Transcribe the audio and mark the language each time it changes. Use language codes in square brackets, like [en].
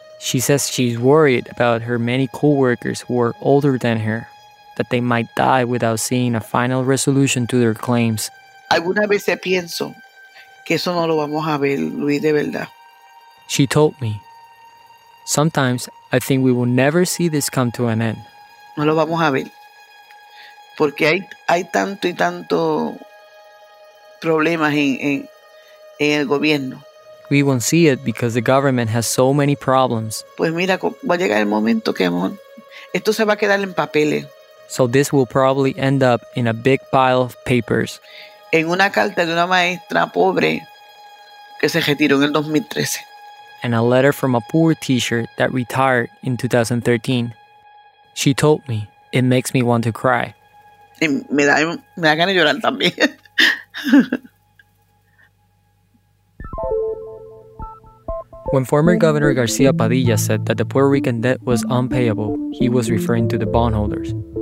[en] She says she's worried about her many co-workers who are older than her, that they might die without seeing a final resolution to their claims. [es] Algunas veces pienso que eso no lo vamos a ver, Luis, de verdad. [en] She told me, sometimes I think we will never see this come to an end. [es] No lo vamos a ver. Porque hay tanto y tanto problemas en el gobierno. [en] We won't see it because the government has so many problems. [es] Pues mira, va a llegar el momento que esto se va a quedar en papeles. [en] So this will probably end up in a big pile of papers. [es] En una carta de una maestra pobre que se retiró en el 2013. [en] And a letter from a poor teacher that retired in 2013. She told me, it makes me want to cry. [es] Y me da ganas de llorar también. [en] When former Governor García Padilla said that the Puerto Rican debt was unpayable, he was referring to the bondholders.